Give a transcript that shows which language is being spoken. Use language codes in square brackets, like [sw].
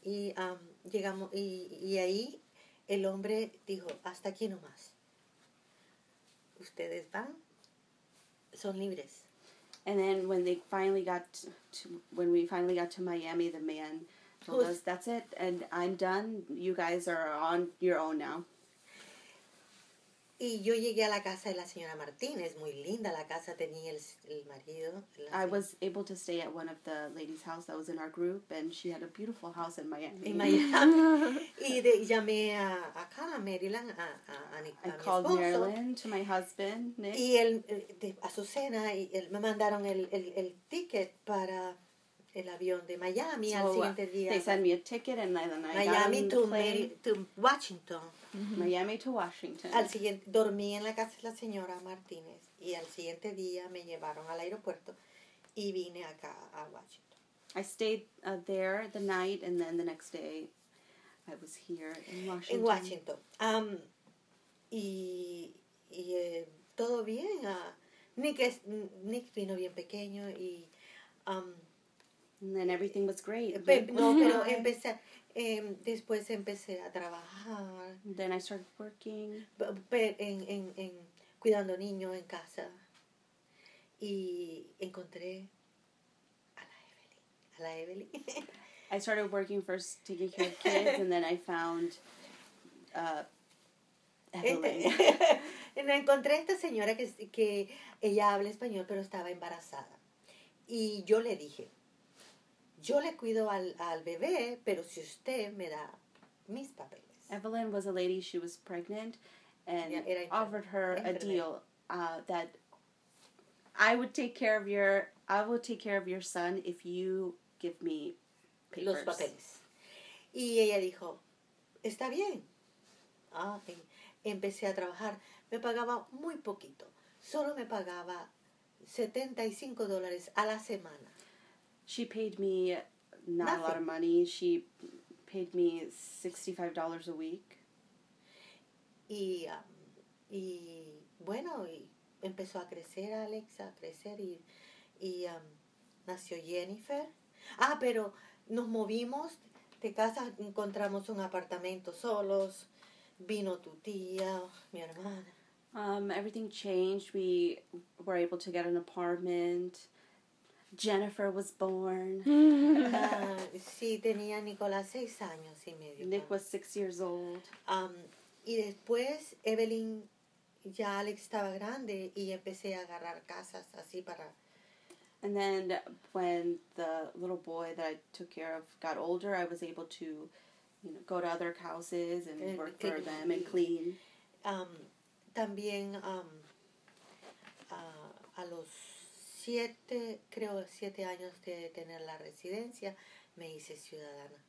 [es] Y llegamos, y ahí el hombre dijo, hasta aquí nomás. Ustedes van. Son libres. [en] And then when they finally got to Miami, the man told us, that's it, and I'm done. You guys are on your own now. [es] Y yo llegué a la casa de la señora Martínez. Muy linda la casa. Tenía el marido. [en] I was able to stay at one of the ladies' house that was in our group, and she had a beautiful house in Miami. In Miami. [es] Y llamé acá a Maryland, a mi esposo. [en] I called Maryland to my husband, Nick. [es] Y él, a Azucena, y él, me mandaron el ticket para el avión de Miami so, al siguiente día. [en] They sent me a ticket and then I Miami got on the plane. To Washington. Mm-hmm. Miami to Washington. [es] Al siguiente, dormí en la casa de la señora Martínez y al siguiente día me llevaron al aeropuerto y vine acá a Washington. [en] I stayed there the night and then the next day I was here in Washington. [es] En Washington. Todo bien. Nick vino bien pequeño y... [en] And then everything was great. [es] No, pero empecé... después empecé a trabajar. [en] Then I started working. [es] En cuidando niños en casa. Y encontré a la Evelyn. [en] I started working first taking care of kids and then I found Evelyn. [es] Encontré a esta señora que ella habla español pero estaba embarazada. Y yo le dije, yo le cuido al bebé, pero si usted me da mis papeles. [en] Evelyn was a lady, she was pregnant and offered her a deal that I will take care of your son if you give me papers. [es] Los papeles. Y ella dijo, está bien. Ah, y empecé a trabajar. Me pagaba muy poquito. Solo me pagaba $75 a la semana. [en] She paid me not a lot of money. She paid me $65 a week. [es] Y bueno, y empezó a crecer Alexa, a crecer y nació Jennifer. Ah, pero nos movimos de casa, encontramos un apartamento solos, vino tu tía, mi hermana. [en] Everything changed, we were able to get an apartment, Jennifer was born. [es] sí, tenía Nicolás 6 años y medio. [en] Nick was 6 years old. [es] Y después Evelyn, ya Alex estaba grande y empecé a agarrar casas así para... [en] And then when the little boy that I took care of got older, I was able to, you know, go to other houses and work for them and clean. [es] También a los 7 años de tener la residencia, me hice ciudadana.